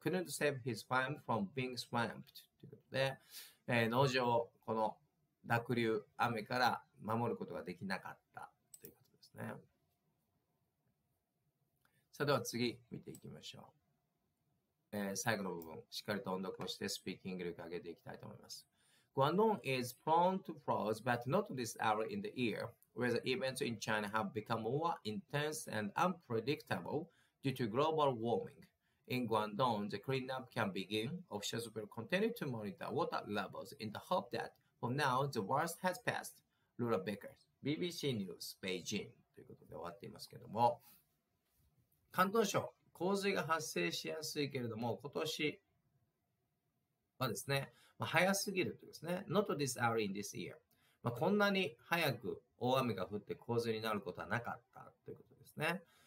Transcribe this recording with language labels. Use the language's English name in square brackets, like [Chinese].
[English] couldn't save his farm from being swamped [Japanese] ということで、農場をこの濁流、雨から守ることができなかったということですね。さあでは次見ていきましょう。最後の部分、しっかりと音読をしてスピーキング力を上げていきたいと思います。 [English] Guangdong is prone to floods, but not this hour in the year, where the events in China have become more intense and unpredictable due to global warming. In Guangdong, the cleanup can begin. Officials will continue to monitor water levels in the hope thatFor now, the worst has passed. Lula Baker, BBC News, Beijing. [Japanese] ということで終わっていますけれども、広東省、洪水が発生しやすいけれども、今年はですね、まあ、早すぎるというですね、 [English] Not this early in this year.、 [Japanese] まあ、こんなに早く大雨が降って洪水になることはなかったということですね。